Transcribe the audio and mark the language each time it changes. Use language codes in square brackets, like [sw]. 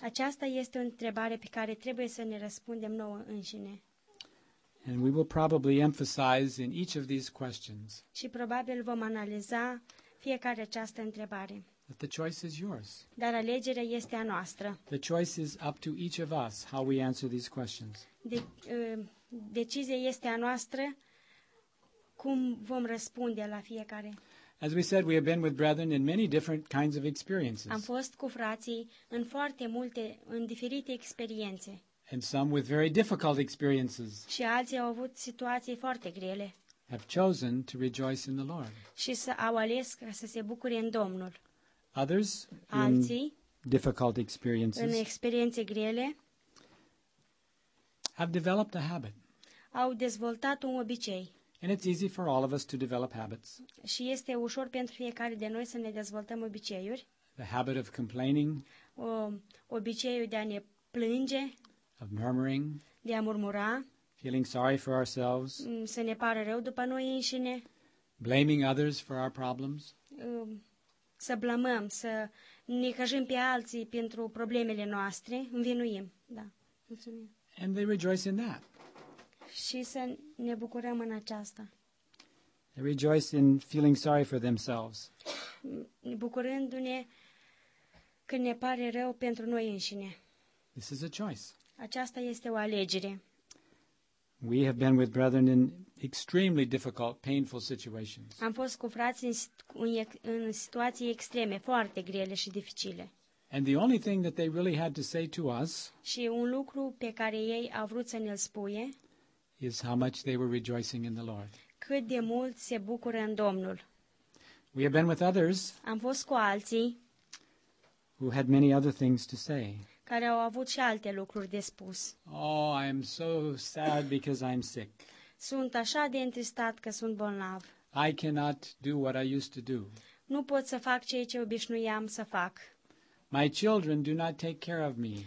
[ro] Aceasta este o întrebare pe care trebuie să ne răspundem nouă înșine. [en] And we will probably emphasize in each of these questions. [ro] Și probabil vom analiza fiecare această întrebare. [en] But the choice is yours. [ro] Dar alegerea este a noastră. [en] The choice is up to each of us how we answer these questions. [ro] Decizia este a noastră. Cum vom răspunde la fiecare? [en] As we said, we have been with brethren in many different kinds of experiences. [ro] Am fost cu frații în foarte multe, în diferite experiențe. [en] And some with very difficult experiences. [ro] Și alții au avut situații foarte grele. [en] Have chosen to rejoice in the Lord. [ro] Și au ales ca să se bucure în Domnul. [en] Others, [ro] alții, [en] in difficult experiences. [ro] În experiențe grele. [en] Have developed a habit. [ro] Au dezvoltat un obicei. [en] And it's easy for all of us to develop habits. [ro] Și este ușor pentru fiecare de noi să ne dezvoltăm obiceiuri. [en] The habit of complaining. [ro] Obiceiul de a ne plânge. [en] Of murmuring. [ro] De a murmura. [en] Feeling sorry for ourselves. [ro] Să ne pară rău după noi înșine. [en] Blaming others for our problems. [ro] Să blamăm, să ne căjim pe alții pentru problemele noastre, învinuim, da. Mulțumim. [en] And they rejoice in that. [ro] Și să ne bucurăm în aceasta. [en] They rejoice in feeling sorry for themselves. [ro] Bucurându-ne când ne pare rău pentru noi înșine. [en] This is a choice. [ro] Aceasta este o alegere. [en] We have been with brethren in extremely difficult, painful situations. [ro] Am fost cu frații în situații extreme, foarte grele și dificile. [en] And the only thing that they really had to say to us, [ro] și un lucru pe care ei au vrut să ne-l spuie, [en] is how much they were rejoicing in the Lord. [ro] Cât de mult se bucură în Domnul. [en] We have been with others, [ro] am fost cu alții, [en] who had many other things to say. [ro] Care au avut și alte lucruri de spus. [en] Oh, I am so sad because I'm sick. [ro] Sunt așa de întristat că sunt bolnav. [en] I cannot do what I used to do. [ro] Nu pot să fac ceea ce obișnuiam să fac. [en] My children do not take care of me.